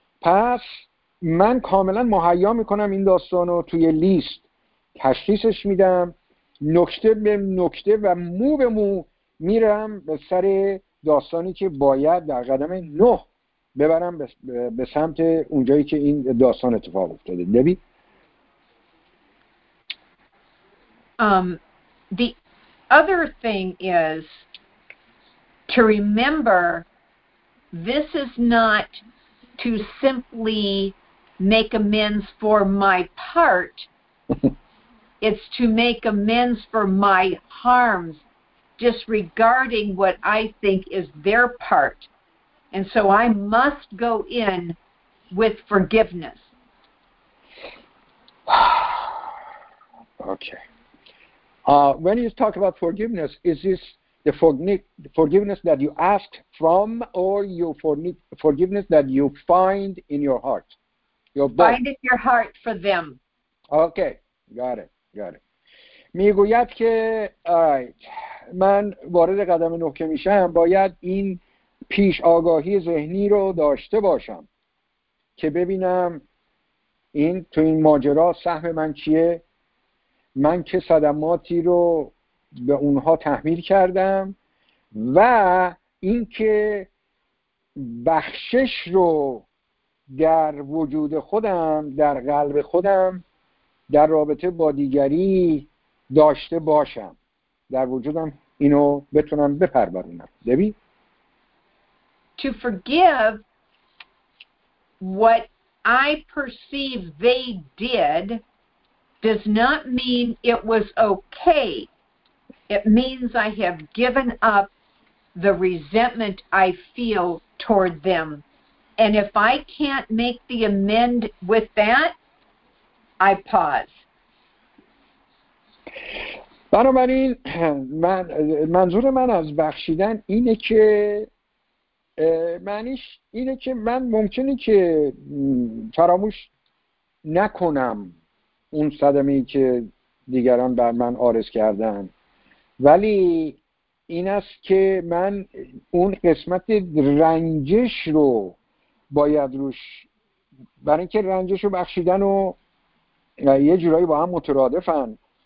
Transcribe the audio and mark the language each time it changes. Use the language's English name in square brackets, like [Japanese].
[Persian] پس من کاملا مهیا میکنم این داستانو، توی لیست تشخیصش میدم، نکته به نکته و مو به مو میرم به سر داستانی که باید در قدم نه ببرم به سمت اونجایی که این داستان اتفاق افتاده. دبی؟ [English] The other thing is to remember this is not to simply make amends for my part. It's to make amends for my harms, disregarding what I think is their part. And so I must go in with forgiveness. Okay. When you talk about forgiveness, is this the forgiveness that you asked from, or your forgiveness that you find in your heart? Your both. Find in your heart for them. Okay. Got it. [Persian] میگوید که آیت من وارد قدم نه که میشم، باید این پیش آگاهی ذهنی رو داشته باشم که ببینم این تو این ماجرا سهم من چیه، من چه صدماتی رو به اونها تحمیل کردم، و اینکه بخشش رو در وجود خودم، در قلب خودم، در رابطه با دیگری داشته باشم، در وجودم اینو بتونم بپرورونم. دبی؟ [English] To forgive what I perceive they did does not mean it was okay. It means I have given up the resentment I feel toward them And if I can't make the amend with that, I pause. [Persian] بنابراین من منظور من از بخشیدن اینه که معنیش اینه که من ممکنه که فراموش نکنم اون صدمه‌ای که دیگران بر من عارض کردن، ولی این است که من اون قسمت رنجش رو باید روش، برای اینکه رنجش رو بخشیدن و یه جورایی با هم مترادفن،